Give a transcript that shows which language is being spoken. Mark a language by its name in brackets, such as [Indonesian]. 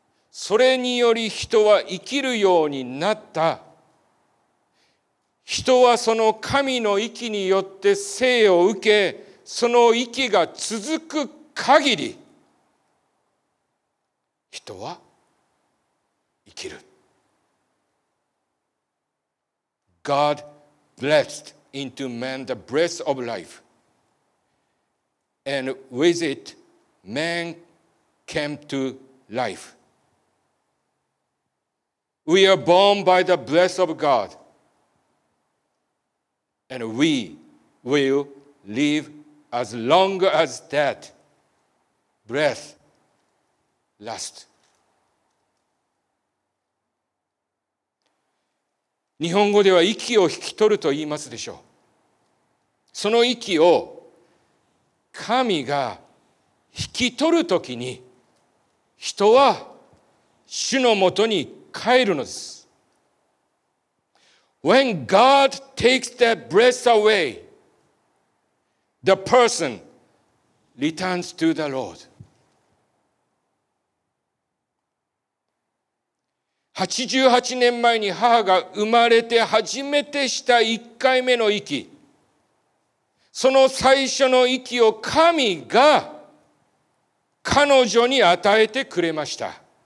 [Japanese] それにより人は生きるようになった。人はその神の息によって生を受け、その息が続く限り人は生きる。 [English] God blessed into man the breath of life, and with it man came to life. We are born by the breath of God, and we will live as long as that. Breath, last. [Japanese] 日本語では息を引き取ると言いますでしょう。その息を神が引き取るときに人は主のもとに帰るのです。 [English] When God takes that breath away, the person returns to the Lord. [Japanese] 88年前に母が生まれて初めてした1回目の息、その最初の息を神が彼女に与えてくれました。